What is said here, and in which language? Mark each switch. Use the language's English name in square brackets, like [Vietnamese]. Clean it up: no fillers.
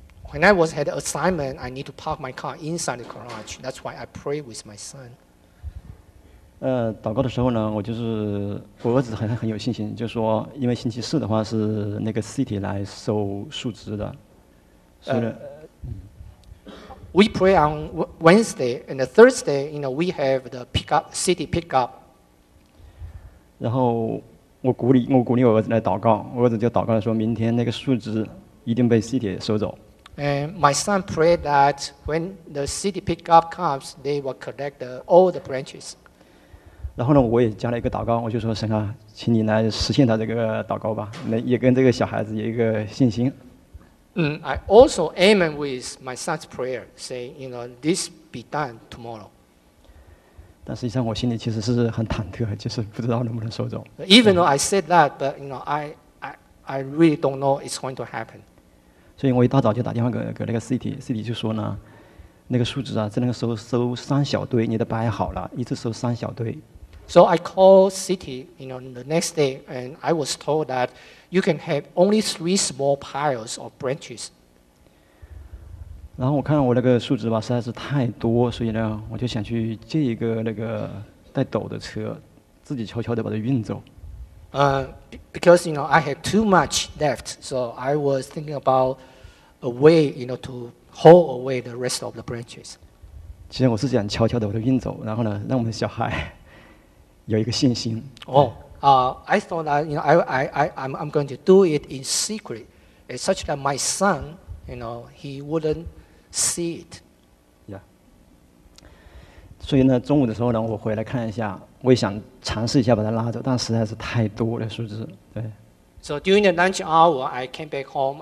[English] When I was had assignment, I need to park my car inside the garage. That's why I pray with my son. [Chinese] 祷告的时候呢，我就是我儿子很有信心，就说因为星期四的话是那个 city 来收树枝的，所以 [English] We pray on Wednesday and Thursday, you know, we have the pickup, city pickup. [Chinese] 然后我鼓励我儿子来祷告，我儿子就祷告说明天那个树枝一定被 city 收走。 [English] And my son prayed that when the city pickup comes, they will collect the, all the branches. [Chinese] 然后呢，我也加了一个祷告，我就说神啊，请你来实现他这个祷告吧，那也跟这个小孩子有一个信心。 [English] I also amen with my son's prayer, saying, you know, this be done tomorrow. [Chinese] 但实际上我心里其实是很忐忑，就是不知道能不能收走。 [English] Even though I said that, but you know, I really don't know it's going to happen. [Chinese] 所以我一大早就打电话给那个 city 就说呢，那个树枝啊，只能收三小堆，你都摆好了，一次收三小堆。 [English] So I called city, you know, the next day, and I was told that you can have only three small piles of branches. [Chinese] 然后我看我那个树枝吧，实在是太多，所以呢，我就想去借一个那个带斗的车，自己悄悄地把它运走。 [English] Because you know I have too much left, so I was thinking about a way, you know, to haul away the rest of the branches. [Chinese] 其实我是想悄悄地把它运走，然后呢，让我们的小孩。有一个信心。 [English] I thought that you know, I'm going to do it in secret, such that my son, you know, he wouldn't see it. Yeah. [Chinese] 所以呢，中午的时候呢，我回来看一下，我也想尝试一下把它拉走，但实在是太多了，树枝。对。 [English] So during the lunch hour, I came back home.